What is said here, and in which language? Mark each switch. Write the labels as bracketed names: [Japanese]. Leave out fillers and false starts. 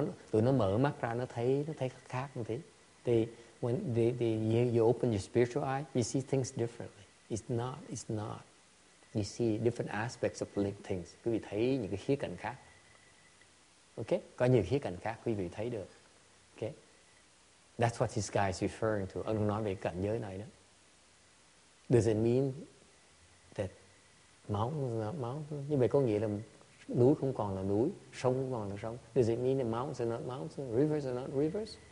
[Vietnamese] Tụi nó mở mắt ra, nó thấy khác như thế. [English] When you open your spiritual eye, you see things differently. It's not. You see different aspects of linked things. [Vietnamese] Quý vị thấy những cái khía cạnh khác. Okay, có nhiều khía cạnh khác quý vị thấy được. [English] Okay, that's what this guy is referring to. [Vietnamese] Ông nói về cảnh giới này đó. [English] Does it mean that mountains? [Vietnamese] Như vậy có nghĩa là núi không còn là núi, sông không còn là sông. [English] Does it mean that mountains are not mountains, rivers are not rivers?